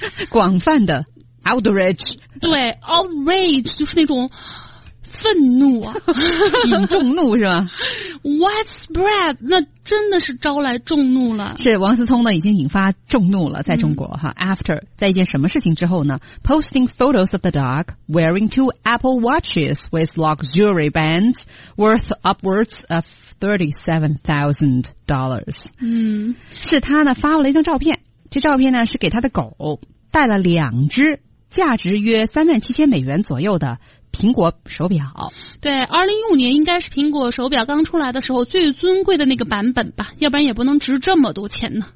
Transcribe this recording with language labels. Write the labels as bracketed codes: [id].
[zh] 广泛的 outrage，对 outrage 就是那种愤怒啊，引众怒是吧？ widespread 那真的是招来众怒了。是王思聪呢，已经引发众怒了，在中国哈。 After 在一件什么事情之后呢？ [en] Posting photos of the dog wearing two Apple watches with luxury bands worth upwards of $37,000。嗯， [zh] 是他呢发了一张照片，这照片呢是给他的狗带了两只价值约$37,000左右的苹果手表。对，2015年应该是苹果手表刚出来的时候最尊贵的那个版本吧，要不然也不能值这么多钱呢。